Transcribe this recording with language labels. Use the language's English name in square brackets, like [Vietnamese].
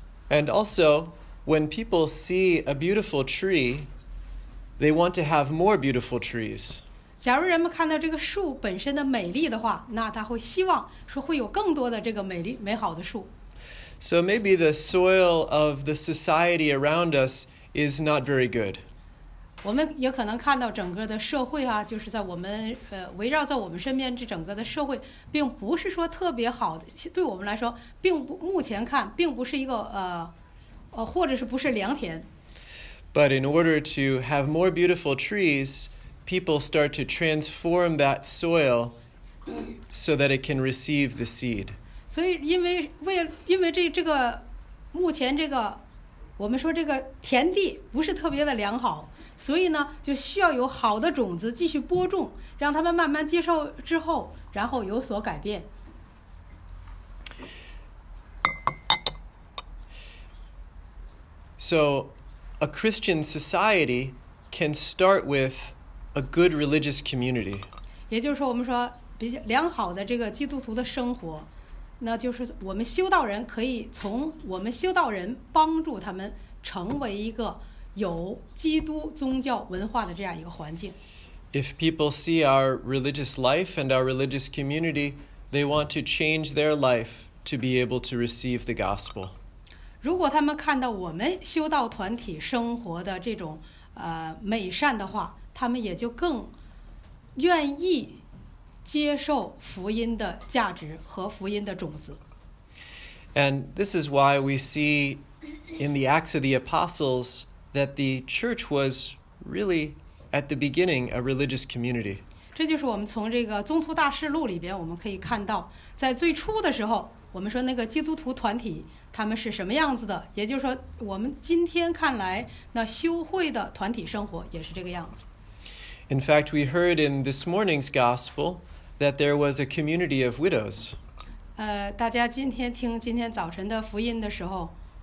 [English] And also, when people see a beautiful tree, they want to have more beautiful trees. [Chinese] 假如人们看到这个树本身的美丽的话，那他会希望说会有更多的这个美好的树。 [English] So maybe the soil of the society around us is not very good. [Chinese] 我们也可能看到整个的社会啊，就是在我们围绕在我们身边这整个的社会，并不是说特别好的，对我们来说，并不目前看并不是一个或者是不是良田。 [English] But in order to have more beautiful trees, people start to transform that soil so that it can receive the seed. [Chinese] 所以因为这个目前这个我们说这个田地不是特别的良好，所以呢就需要有好的种子继续播种，让他们慢慢接受之后然后有所改变。 [English] So, a Christian society can start with a good religious community. [Chinese] 也就是说我们说比较良好的这个基督徒的生活，那就是我们修道人可以从我们修道人帮助他们成为一个有基督宗教文化的这样一个环境。 [English] If people see our religious life and our religious community, they want to change their life to be able to receive the gospel. [Chinese] 如果他们看到我们修道团体生活的这种美善的话，他们也就更愿意接受福音的价值和福音的种子。 [English] And this is why we see in the Acts of the Apostles that the church was really at the beginning a religious community. [Chinese] 这就是我们从这个《宗徒大事录》里边我们可以看到，在最初的时候，我们说那个基督徒团体他们是什么样子的，也就是说我们今天看来那修会的团体生活也是这个样子。 [English] In fact, we heard in this morning's gospel that there was a community of widows. [Chinese] 大家今天听今天早晨的福音的时候，